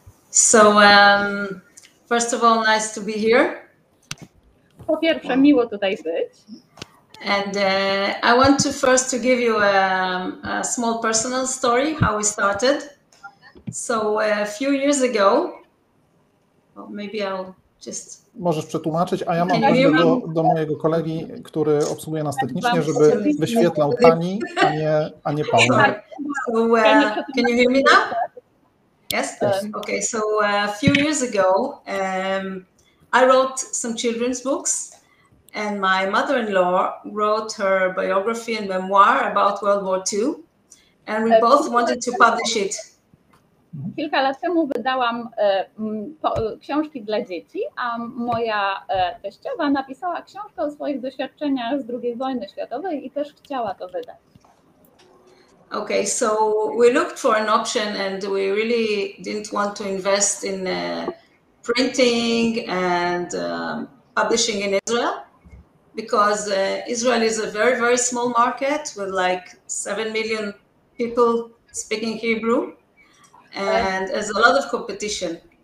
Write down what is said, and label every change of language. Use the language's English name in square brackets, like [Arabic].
[English] So, first of all, nice to be here. [Polish] Po pierwsze, miło tutaj być. [English] And I want to first to give you a small personal story, how we started. So a few years ago, well, maybe I'll just... [Polish] Możesz przetłumaczyć, a ja mam prośbę do mojego kolegi, który obsługuje nas technicznie, żeby wyświetlał Tani, a nie Paweł. [English] So, can you hear me now? Yes, okay. So a few years ago, I wrote some children's books. And my mother-in-law wrote her biography and memoir about World War II, and we both wanted to publish it. [Polish] Kilka lat temu wydałam książki dla dzieci, a moja teściowa napisała książkę o swoich doświadczeniach z II wojny światowej i też chciała to wydać. [English] Okay, so we looked for an option, and we really didn't want to invest in printing and publishing in Israel. Because Israel is a very, very small market with like 7 million people speaking Hebrew and there's a lot of competition.